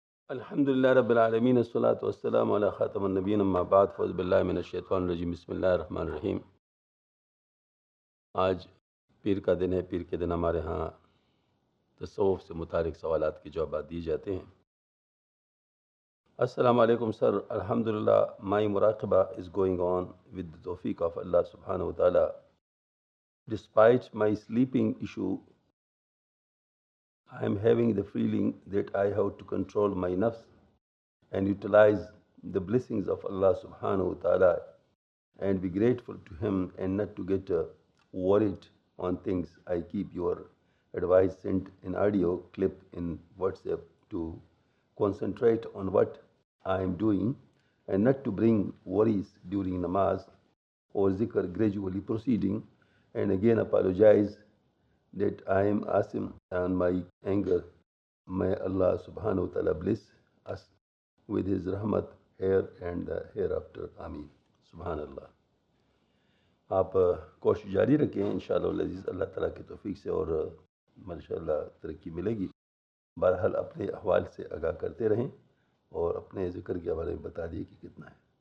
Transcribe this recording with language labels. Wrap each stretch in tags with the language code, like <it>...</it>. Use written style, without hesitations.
<ar>الحمد لله رب العالمين الصلاة والسلام على خاتم النبيين اما بعد فأعوذ بالله من الشيطان الرجيم بسم الله الرحمن الرحيم.</ar> <ur>آج پیر کا دن ہے، پیر کے دن ہمارے ہاں تصوف سے متعلق سوالات کے جوابات دیے جاتے ہیں.</ur> <en>السلام علیکم سر. الحمد للہ my muraqaba is going on with the taufiq of Allah subhanahu wa ta'ala despite my sleeping issue. I am having the feeling that I have to control my nafs and utilize the blessings of Allah subhanahu wa ta'ala and be grateful to Him and not to get worried on things. I keep your advice sent in audio clip in WhatsApp to concentrate on what I am doing and not to bring worries during namaz or zikr gradually proceeding, and again apologize that I am asim and my anger. May Allah subhanahu wa ta'ala bless us with his rahmat here and hereafter. Ameen. Subhanallah.</en> <ur>آپ کوشش جاری رکھیں ان شاء اللہ عزیز، اللہ تعالیٰ کی توفیق سے اور ماشاء اللہ ترقی ملے گی. بہرحال اپنے احوال سے آگاہ کرتے رہیں اور اپنے ذکر کے حوالے میں بتا دیے کہ کتنا ہے.</ur>